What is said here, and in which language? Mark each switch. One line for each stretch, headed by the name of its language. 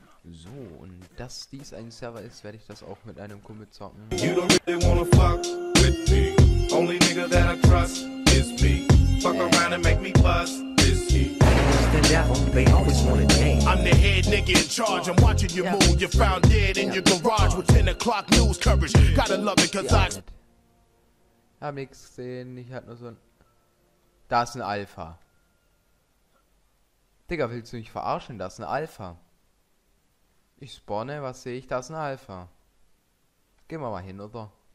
German: So, und dass dies ein Server ist, werde ich das auch mit einem Kumpel zocken.
English: You don't really wanna fuck with me. Only nigga that I trust is me. Fuck around and make me bust is he. I'm the head nigga in charge. I'm watching you move. You found dead in your garage with 10 o'clock news coverage. Gotta love it, cause I
German: hab nichts gesehen, ich hatte nur so ein. Da ist ein Alpha. Digga, willst du mich verarschen? Da ist ein Alpha. Ich spawne, was sehe ich? Da ist ein Alpha. Gehen wir mal hin, oder?